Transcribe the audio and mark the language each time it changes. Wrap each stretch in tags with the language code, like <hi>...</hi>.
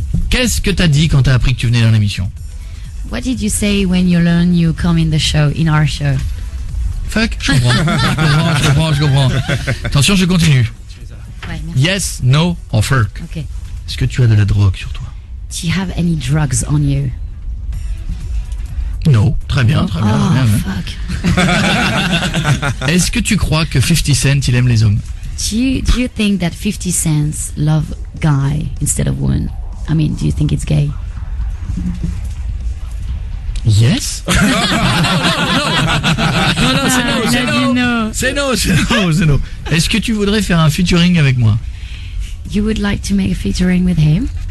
<fr>Qu'est-ce que t'as dit quand t'as appris que tu venais dans l'émission?</fr> <en>What did you say when you learned you come in the show, in our show?</en> <fr>Fuck. Je comprends. je comprends. Attention, je continue. Ouais,</fr> <en>yes, no, or fuck. Okay.</en> <fr>Est-ce que tu as de la drogue sur toi?</fr> <en>Do you have any drugs on you?</en> <fr>No, très bien, très oh, bien. Oh, bien,</fr> <en>fuck.</en> <fr>Est-ce que tu crois que 50 Cent, il aime les hommes?</fr> <en>Do you think that 50 Cent love guy instead of woman? I mean, do you think it's gay?</en> <fr>Yes. Non, c'est non. Est-ce que tu voudrais faire un featuring avec moi?</fr> <en>You would like to make a featuring with him?</en>